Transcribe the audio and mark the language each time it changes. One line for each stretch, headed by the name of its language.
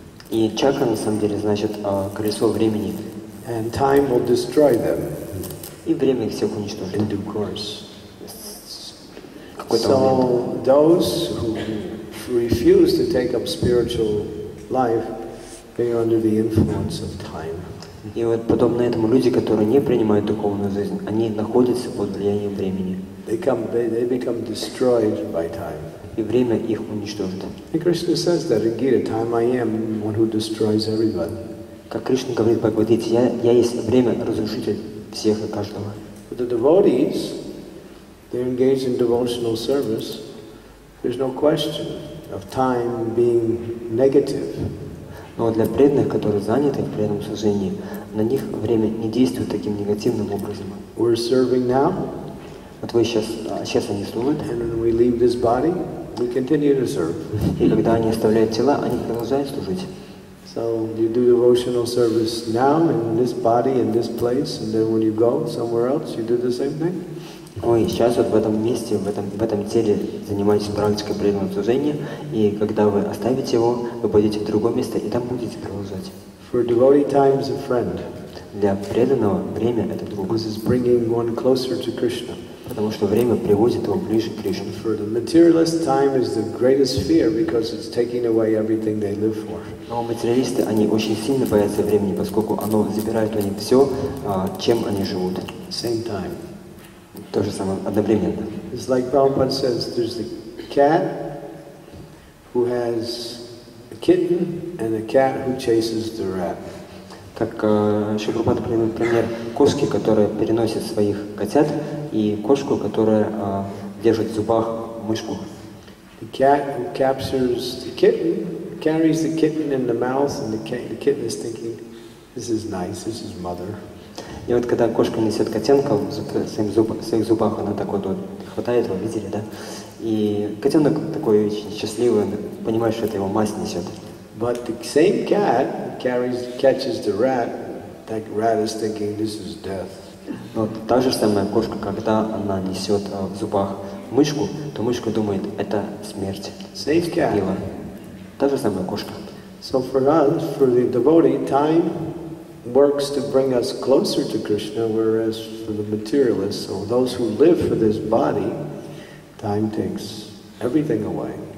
Russian: И чакра на самом деле значит колесо времени.
English: And time will destroy them.
Russian: И время их всех уничтожит.
English: In due course.
Russian: Какой-то
English: so
Russian: момент.
English: Those who refuse to take up spiritual life, they are under the influence of time.
Russian: И вот подобно этому люди, которые не принимают духовную жизнь, они находятся под влиянием времени.
English: They become destroyed by time.
Russian: И время их уничтожит.
English: And Krishna says that in Gita, time I am one who destroys everybody.
Russian: Как Кришна говорит в Бхагавад-гите, я есть время разрушитель всех и каждого.
English: But the devotees, they're engaged in devotional service. There's no question of time being negative.
Russian: Но для преданных, которые заняты в преданном служении, на них время не действует таким негативным образом.
English: We're serving now.
Russian: Вот вы сейчас они служат.
English: And when we leave this body, we continue to serve.
Russian: И когда они оставляют тела, они продолжают служить.
English: So you do devotional service now in this body, in this place, and then when you go somewhere else, you do the same thing.
Russian: Ой, сейчас вот в этом месте, в этом теле занимаетесь практикой преданного служения, и когда вы оставите его, вы пойдете в другое место, и там будете продолжать.
English: For devotee, time is a friend.
Russian: Для преданного время — это друг.
English: Because it's bringing one closer to Krishna.
Russian: Потому что время приводит его ближе к Кришне.
English: For the materialist, time is the greatest fear because it's taking away everything they live for.
Russian: Но материалисты, они очень сильно боятся времени, поскольку оно забирает у них все, чем они живут.
English: Same time.
Russian: То же самое, одновременно.
English: It's like Prabhupada says, there's the cat who has a kitten and the cat who chases the rat.
Russian: Как Шрила Прабхупада приводит пример кошки, которая переносит своих котят, и кошку, которая держит в зубах мышку.
English: The cat who captures the kitten, carries the kitten in the mouth, and the kitten is thinking, this is nice, this is mother.
Russian: И вот когда кошка несет котенка в своих зубах, она так вот хватает его, видели, да? И котенок такой очень счастливый, понимает, что это его мать несет.
English: But the same cat catches the rat, that rat is thinking this is death.
Russian: Но та же самая кошка, когда она несет в зубах мышку, то мышка думает, это смерть.
English: Same cat.
Russian: Та же самая кошка.
English: So for us, for the devotee, time works to bring us closer to Krishna, whereas for the materialists, or those who live for this body, time takes everything away.